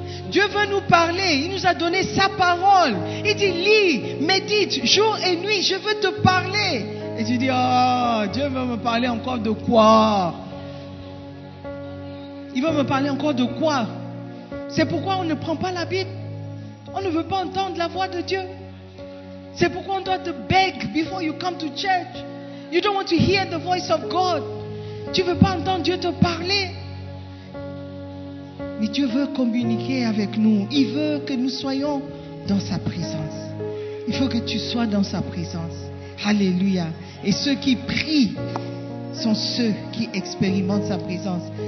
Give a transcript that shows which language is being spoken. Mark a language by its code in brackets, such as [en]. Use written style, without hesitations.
[fr] Dieu veut nous parler. Il nous a donné sa parole. Il dit, lis, médite, jour et nuit, je veux te parler. Et tu dis, oh, Dieu veut me parler encore de quoi? Il veut me parler encore de quoi? C'est pourquoi on ne prend pas la Bible. On ne veut pas entendre la voix de Dieu. C'est pourquoi on doit te [en] beg before you come to church. You don't want to hear the voice of God. [fr] Tu ne veux pas entendre Dieu te parler. Mais Dieu veut communiquer avec nous. Il veut que nous soyons dans sa présence. Il faut que tu sois dans sa présence. Alléluia. Et ceux qui prient sont ceux qui expérimentent sa présence.